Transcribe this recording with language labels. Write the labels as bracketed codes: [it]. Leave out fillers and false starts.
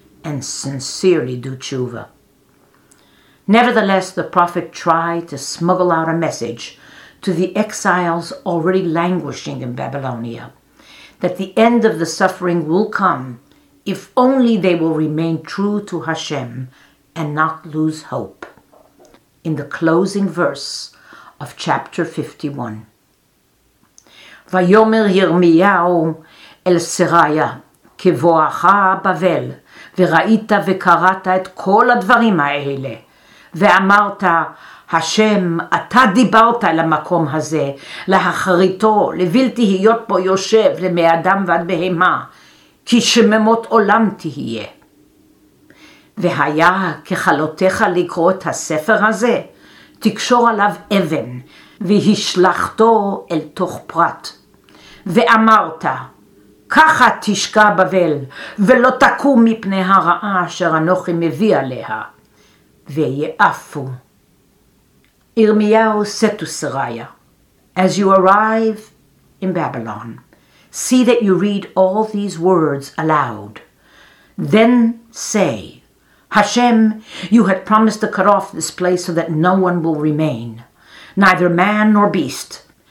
[en] and sincerely do tshuva. Nevertheless, the prophet tried to smuggle out a message to the exiles already languishing in Babylonia, that the end of the suffering will come if only they will remain true to Hashem and not lose hope. In the closing verse of chapter 51, [he] Vayomer Yirmiyahu el Seraya, Kevoacha Bavel, Veraita Vekarata et Kol Advarim Ha'ele, ואמרת, השם, אתה דיברת אל המקום הזה, להחריתו, לבלתי היות בו יושב, למי אדם ועד בהמה, כי שממות עולם תהיה. והיה כחלותיך לקרוא את הספר הזה, תקשור עליו אבן, והשלחתו אל תוך פרט. ואמרת, ככה תשקע בבל, ולא תקום מפני הרעה אשר אנוכי מביא עליה. Ve'yafu. [en] Yirmiyahu said to Seraya, as you arrive in Babylon, see that you read all these words aloud. Then say, Hashem, you had promised to cut off this place so that no one will remain, neither man nor beast.